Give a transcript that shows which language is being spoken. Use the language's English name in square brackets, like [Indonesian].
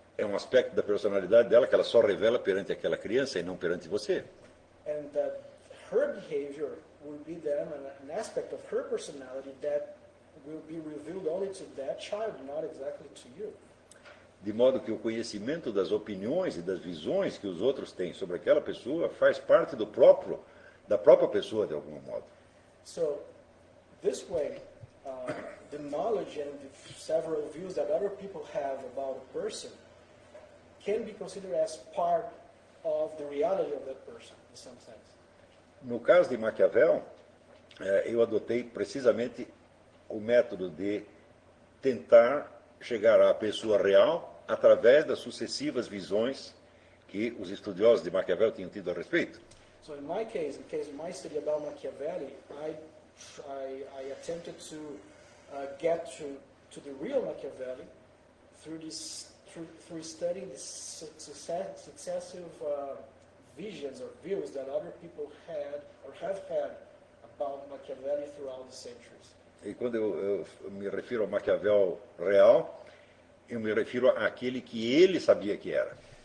[Portuguese] É um aspecto da personalidade dela que ela só revela perante aquela criança e não perante você. [English] And that her behavior will be then an aspect of her personality that will be revealed only to that child, not exactly to you. [Portuguese] De modo que o conhecimento das opiniões e das visões que os outros têm sobre aquela pessoa faz parte do próprio da própria pessoa de algum modo. [English] So this way the knowledge and the several views that other people have about a person can be considered as part of the reality of that person in some sense. [Portuguese] No caso de Maquiavel, eu adotei precisamente o método de tentar chegar à pessoa real através das sucessivas visões que os estudiosos de Maquiavel tinham tido a respeito. [English] So in my case, in case of my study about Machiavelli, I attempted to get to the real Machiavelli through this through studying the successive visions or views that other people had or have had about Machiavelli throughout the centuries. [Portuguese] E quando eu me refiro ao Maquiavel real, eu me refiro àquele que ele sabia que era.